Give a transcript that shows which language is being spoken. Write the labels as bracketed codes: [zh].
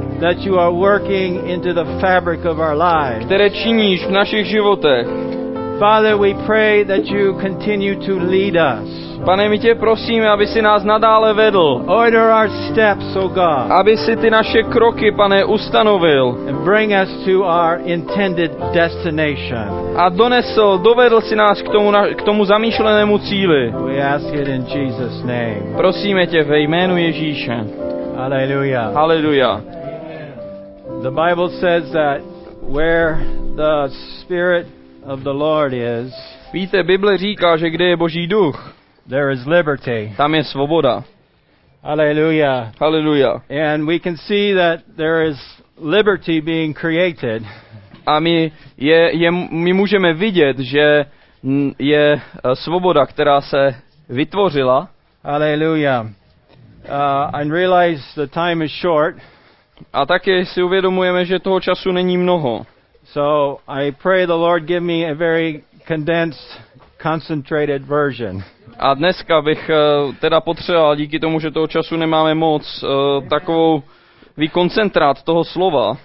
[en] That you are working into the fabric of our lives. [cs] Které činíš v našich životech. [en] Father, we pray that you continue to lead us. [cs] Pane, my tě prosíme, aby si nás nadále vedl. [en] Order our steps, O God. [cs] Aby si ty naše kroky, Pane, ustanovil. [en] And bring us to our intended destination. [cs] A donesl, dovedl si nás k tomu zamýšlenému cíli. [en] We ask it in Jesus' name. [cs] Prosíme tě ve jménu Ježíše. [en] Alleluja. [cs] Alleluja. [en] The Bible says that where the Spirit of the Lord is. [cs] Víte, Bible říká, že kde je Boží duch, [en] there is liberty. [cs] Tam je svoboda. [en] Alleluja. [cs] Alleluja. [en] And we can see that there is liberty being created. [cs] A my můžeme vidět, že je svoboda, která se vytvořila. [en] Alleluja. I realize the time is short. [cs] A také si uvědomujeme, že toho času není mnoho. [en] So I pray the Lord give me a very condensed, concentrated version. [cs] A dneska bych teda potřeboval, díky tomu, že toho času nemáme moc, takovou vykoncentrát toho slova.